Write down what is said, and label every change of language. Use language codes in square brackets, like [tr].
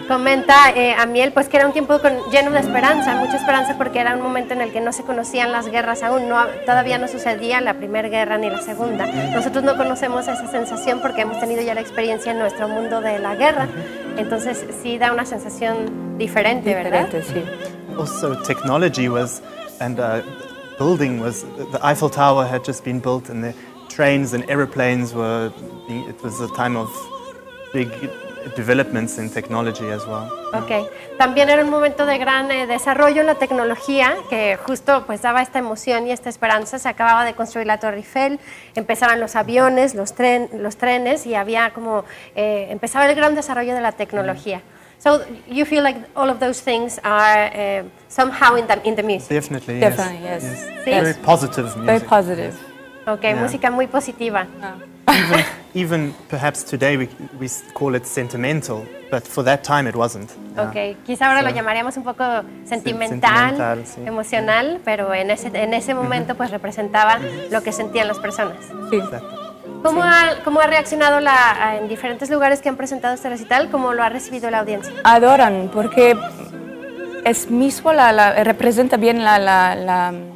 [es] Comenta Amiel, pues que era un tiempo lleno de esperanza, mucha esperanza, porque era un momento en el que no se conocían las guerras aún, todavía no sucedía la primera guerra ni la segunda. Mm-hmm. Nosotros no conocemos esa sensación porque hemos tenido ya la experiencia en nuestro mundo de la guerra. Mm-hmm. Entonces sí da una sensación diferente, ¿verdad? Diferente, sí. [en] Also, technology was and building was the Eiffel Tower had just been built and the trains and aeroplanes were, it was a time of big developments in technology as well. Okay. [es] También era un momento de gran desarrollo en la tecnología, que justo pues daba esta emoción y esta esperanza. Se acababa de construir la Torre Eiffel, empezaban los aviones, los trenes, y había como, empezaba el gran desarrollo de la tecnología. Mm. [en] So you feel like all of those things are somehow in the music? Definitely, yes. Definitely, yes. Very positive music. Very positive. Yes. Okay, yeah. [es] música muy positiva. [en] Yeah. Even perhaps today we call it sentimental, but for that time it wasn't. Yeah. Okay, [es] quizá ahora [en] so, [es] lo llamaríamos un poco sentimental, sí. emocional, [en] yeah. [es] pero en ese momento pues representaba mm-hmm. lo que sentían las personas. Sí. [en] Exactly. [es] ¿Cómo ha reaccionado en diferentes lugares que han presentado este recital? ¿Cómo lo ha recibido la audiencia? Adoran, porque es mismo representa bien la